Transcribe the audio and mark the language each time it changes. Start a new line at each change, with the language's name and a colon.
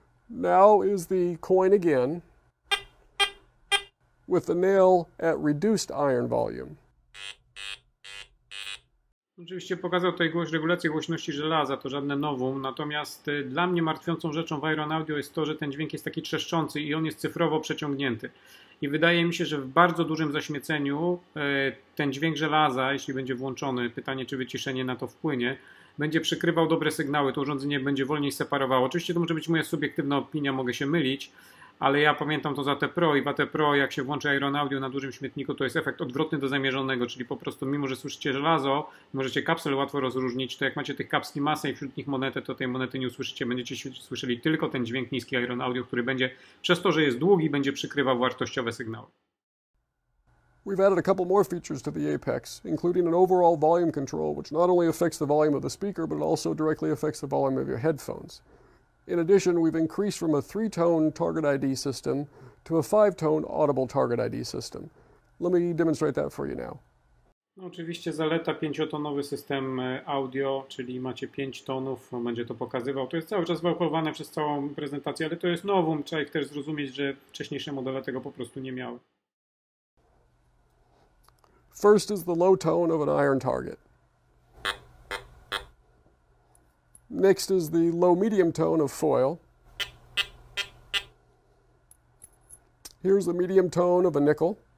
English: Now is the coin again, with the nail at reduced iron volume.
Polish: Oczywiście pokazał tutaj regulację głośności żelaza, to żadne nowum, natomiast dla mnie martwiącą rzeczą w Iron Audio jest to, że ten dźwięk jest taki trzeszczący i on jest cyfrowo przeciągnięty. I wydaje mi się, że w bardzo dużym zaśmieceniu ten dźwięk żelaza, jeśli będzie włączony, pytanie czy wyciszenie na to wpłynie, będzie przykrywał dobre sygnały, to urządzenie będzie wolniej separowało. Oczywiście to może być moja subiektywna opinia, mogę się mylić, ale ja pamiętam to z AT Pro i w AT Pro jak się włączy Iron Audio na dużym śmietniku, to jest efekt odwrotny do zamierzonego, czyli po prostu mimo, że słyszycie żelazo, możecie kapsel łatwo rozróżnić, to jak macie tych kapski masę i wśród nich monetę, to tej monety nie usłyszycie, będziecie słyszeli tylko ten dźwięk niski Iron Audio, który będzie, przez to, że jest długi, będzie przykrywał wartościowe sygnały.
English: We've added a couple more features to the APEX, including an overall volume control, which not only affects the volume of the speaker, but it also directly affects the volume of your headphones. In addition, we've increased from a 3-tone target ID system to a 5-tone audible target ID system. Let me demonstrate that for you now.
Polish: No, oczywiście zaleta 5-tonowy system audio, czyli macie 5 tonów, będzie to pokazywał. To jest cały czas wałkowane przez całą prezentację, ale to jest nowum. Trzeba ich też zrozumieć, że wcześniejsze modele tego po prostu nie miały.
English: First is the low tone of an iron target. Next is the low-medium tone of foil. Here's the medium tone of a nickel.